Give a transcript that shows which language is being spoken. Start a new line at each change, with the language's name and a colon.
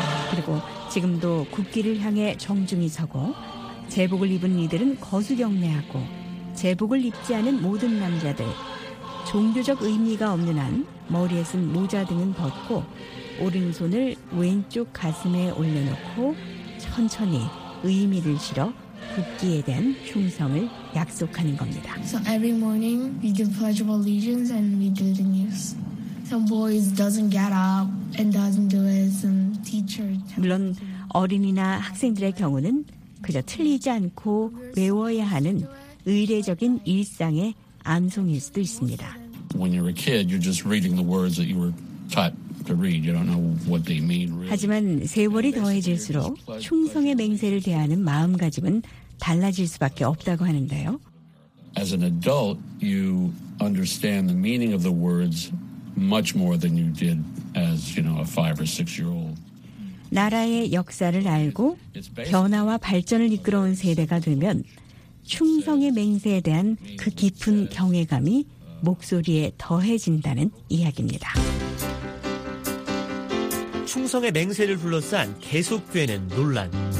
Korean: 그리고 지금도 국기를 향해 정중히 서고 제복을 입은 이들은 거수 경례하고 제복을 입지 않은 모든 남자들 종교적 의미가 없는 한 머리에 쓴 모자 등은 벗고 오른손을 왼쪽 가슴에 올려놓고 천천히 의미를 실어 국기에 대한 충성을 약속하는 겁니다.
English: So every morning we do pledge of allegiance and we do the news. Some boys doesn't get up and doesn't do it. And teacher.
Korean: 물론 어린이나 학생들의 경우는 그저 틀리지 않고 외워야 하는 의례적인 일상의 암송일 수도 있습니다.
English: When you're a kid, you're just reading the words that you were taught. To read. You don't know what they mean, really.
Korean: 하지만 세월이 더해질수록 충성의 맹세를 대하는 마음가짐은 달라질 수밖에 없다고 하는데요.
English: As an adult, you understand the meaning of the words much more than you did as, you know, a 5 or 6 year old.
Korean: 나라의 역사를 알고 변화와 발전을 이끌어온 세대가 되면 충성의 맹세에 대한 그 깊은 경외감이 목소리에 더해진다는 이야기입니다. 충성의 맹세를 둘러싼 개속교회는 논란.